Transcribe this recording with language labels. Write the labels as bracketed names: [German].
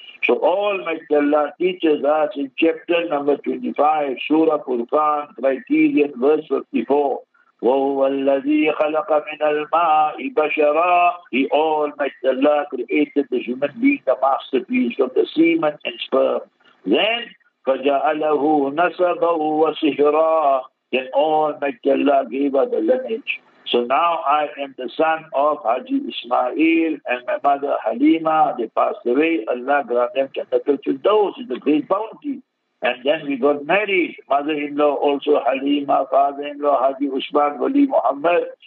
[English] So all Majallah teaches us in chapter number 25, Surah Furqan, criterion verse 54, [Arabic] وَهُوَ الَّذِي خَلَقَ مِنَ الْمَاءِ بَشَرًا. [English] He Almighty Allah created the human being, the masterpiece of the semen and sperm. Then, [Arabic] فَجَعَلَهُ نَسَبَهُ وَسِحْرًا. [English] Then Almighty Allah gave us the lineage. So now I am the son of Haji Ismail and my mother Halima. They passed away. Allah grant them Jannatul Firdaus. It's a great bounty. And then we got married. Mother-in-law also Halima, father-in-law Haji Usman Wali Muhammad.